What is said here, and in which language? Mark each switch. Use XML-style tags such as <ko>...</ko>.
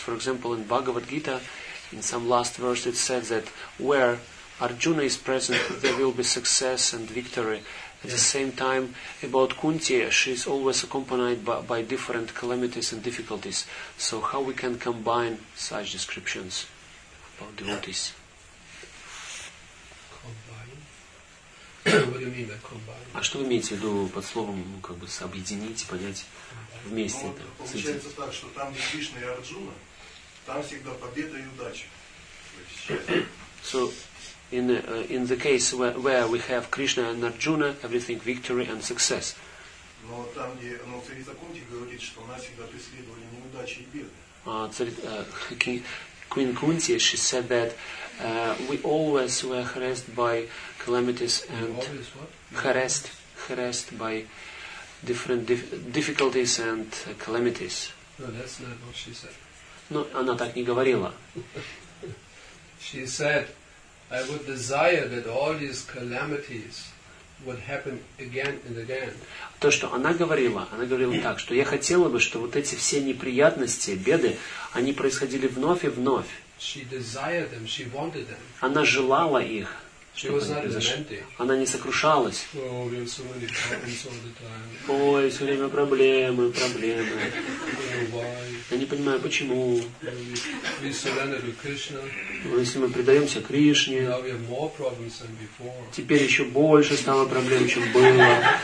<en>For example, in Bhagavad Gita, in some last verse, it said that where Arjuna is present, there will be success and victory. At the same time, about Kunti, she is always accompanied by different calamities and difficulties. So how we can combine such descriptions about devotees? Combine? What do you mean by combine?</en> <ru>А что вы имеете в виду под словом, как бы, объединить, понять вместе? Ну, это, получается так, что там, где Кришна и Арджуна, там всегда победа и удача.</ru> <en>So, in the case where we have Krishna and Arjuna, everything victory and success.</en> <ru>Но там, где, ну, царица Кунти говорит, что нас всегда преследовали неудачи и беды.</ru> <en>Queen Kunti, she said that we always were harassed by calamities and harassed by different difficulties and calamities. No, that's not what she said. No,</en> <ru>она так не говорила.</ru> <en>She said, I would desire that all these calamities would happen again and again.</en> <ru>То, что она говорила так, что я хотела бы, что вот эти все неприятности, беды, они происходили вновь и вновь.</ru> <en>She desired them, she wanted them.</en> <ru>Она желала их.</ru> <en>She was not lamenting.</en> <ru>Она не сокрушалась.</ru> <en>Oh, we have so many problems all the time.</en> <ru>Ой, все время проблемы, проблемы.</ru> <en>Why?</en> <ru>Я не понимаю, почему.</ru> <en>We surrender to Krishna.</en> <ru>Если мы предаемся Кришне,</ru> <en>now we have more problems than before.</en> <ru>Теперь еще больше стало проблем, чем было.</ru>